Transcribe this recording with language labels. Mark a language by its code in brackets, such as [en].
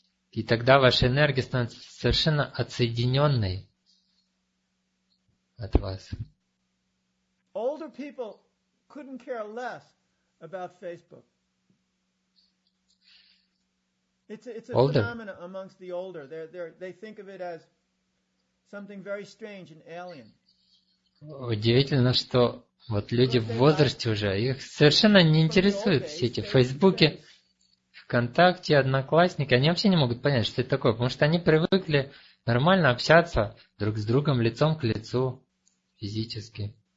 [ru] И тогда ваша энергия становится совершенно отсоединенной от вас. [en] Older people couldn't care less about Facebook. It's a phenomenon amongst the older. They think of it as something very strange and alien. [ru] Удивительно, что вот люди в возрасте уже, их совершенно не интересуют все эти Фейсбуки, ВКонтакте, Одноклассники. Они вообще не могут понять, что это такое, потому что они привыкли нормально общаться друг с другом, лицом к лицу, физически.